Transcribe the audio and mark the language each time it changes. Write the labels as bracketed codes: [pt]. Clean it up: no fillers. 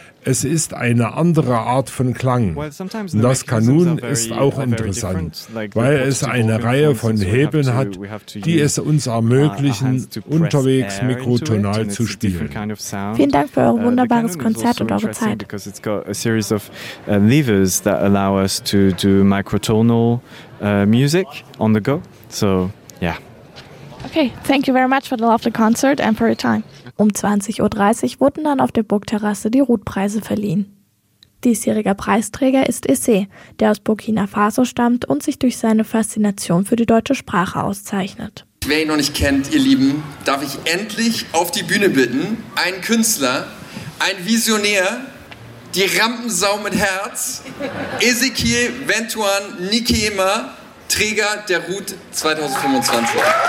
[de] Es ist eine andere Art von Klang. Das Kanun ist auch interessant, weil es eine Reihe von Hebeln hat, die es uns ermöglichen, unterwegs mikrotonal zu spielen. Vielen Dank für euer wunderbares Konzert und eure Zeit. [en] Because it's got a series of levers that allow us to do microtonal music on the go. So, yeah. Okay, thank you very much for the lovely concert and for your time. [de] Um 20.30 Uhr wurden dann auf der Burgterrasse die Ruth-Preise verliehen. Diesjähriger Preisträger ist Essay, der aus Burkina Faso stammt und sich durch seine Faszination für die deutsche Sprache auszeichnet. Wer ihn noch nicht kennt, ihr Lieben, darf ich endlich auf die Bühne bitten, einen Künstler, einen Visionär, die Rampensau mit Herz, Ezekiel Ventuan Nikeema, Träger der Ruth 2025.